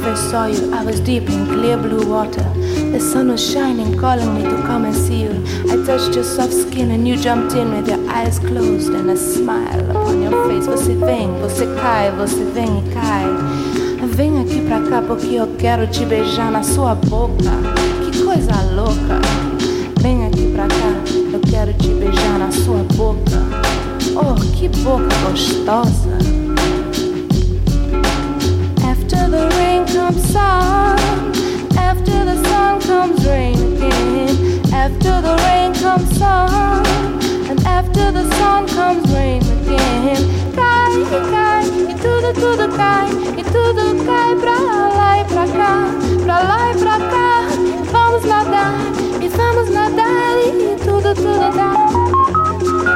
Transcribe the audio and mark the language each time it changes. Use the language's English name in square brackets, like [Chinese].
[English] saw you, I was deep in clear blue water. The sun was shining, calling me to come and see you. I touched your soft skin and you jumped in with your eyes closed and a smile upon your face. [Portuguese] Você vem, você cai, você vem e cai. Vem aqui pra cá porque eu quero te beijar na sua boca. Que coisa louca. Vem aqui pra cá, eu quero te beijar na sua boca. Oh, que boca gostosa. [English] After the rain comes sun, after the sun comes rain again. After the rain comes sun, and after the sun comes rain again. [Portuguese] Cai, cai, e tudo, tudo cai, e tudo cai pra lá e pra cá, pra lá e pra cá. Vamos nadar, e vamos nadar, e tudo, tudo dá.